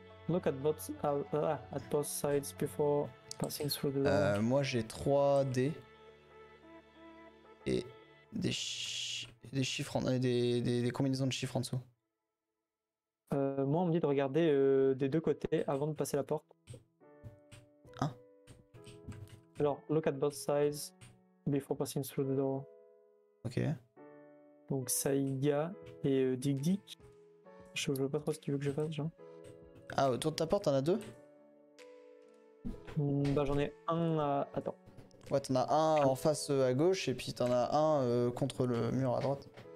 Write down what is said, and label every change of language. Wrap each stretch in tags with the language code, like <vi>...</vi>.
<en>Look at both, at both sides before passing through the...</en> <fr>Moi, j'ai 3D. Et des chiffres, des combinaisons de chiffres en dessous. Moi, on me dit de regarder des deux côtés avant de passer la porte. Hein? Alors,</fr> <en>look at both sides before passing through the door.</en> <fr>Ok. Donc, Saïga et Dig Dig. Je vois pas trop ce qu'il veut que je fasse, genre. Ah, autour de ta porte, t'en as deux? Bah, j'en ai un à... Attends. Ouais, t'en as un en face à gauche et puis t'en as un contre le mur à droite.</fr>